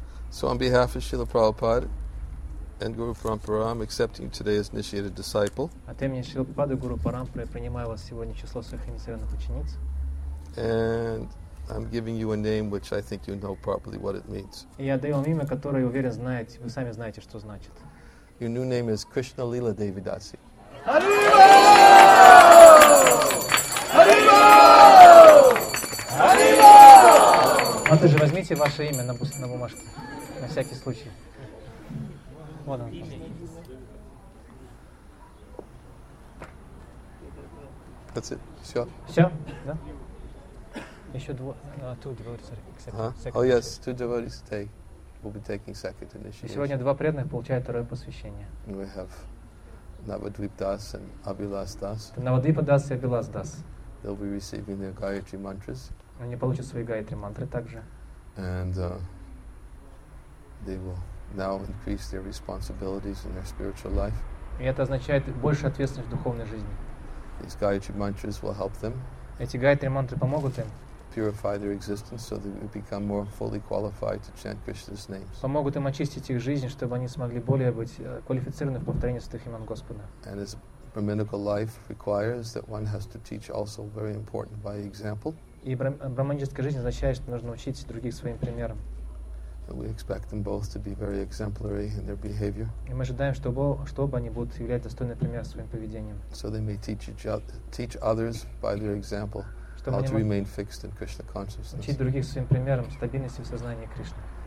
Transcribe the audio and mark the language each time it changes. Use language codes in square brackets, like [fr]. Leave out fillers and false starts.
[en] So on behalf of Srila Prabhupada and Guru Parampara, I'm accepting today as initiated disciple. [ru] От имени Шрилы Прабхупады, Гуру Парампара, я принимаю вас сегодня в число своих инициированных учениц. [en] And I'm giving you a name which I think you know properly what it means. [ru] И я даю вам имя, которое, я уверен, знаете, вы сами знаете, что значит. [en] Your new name is Krishna Lila Devi Dasi. Hariva! Hariva! Hariva! [ru] А также возьмите ваше имя на бумажке, на всякий случай. Вот он. [en] That's it. [ru] Все? Все? Да? Еще два. [en] Two devotees are accepted. Oh yes, two devotees today will be taking second initiation. [ru] Сегодня два преданных получают второе посвящение. [en] We have Navadvip Das and Abhilas Das. [ru] Navadvip Das и Abhilas Das. [en] They'll be receiving their Gayatri mantras. [ru] Они получат свои Гаятри мантры также. [en] And they will now increase their responsibilities in their spiritual life. [ru] И это означает больше ответственность в духовной жизни. [en] These Gayatri mantras will help them. [ru] Эти Гаятри мантры помогут им. [en] Purify their existence so they become more fully qualified to chant Krishna's names. [ru] Помогут им очистить их жизнь, чтобы они смогли более быть квалифицированы в повторении святых имен Господа. [en] And this brahminical life requires that one has to teach also very important by example. [ru] И брахманическая жизнь означает, что нужно учить других своим примером. [en] We expect them both to be very exemplary in their behavior. [ru] И мы ожидаем, чтобы они будут являть достойный пример своим поведением. [en] So they may teach others by their example how to remain fixed in Krishna consciousness. [ru] Учить других своим примером стабильности в сознании Кришны.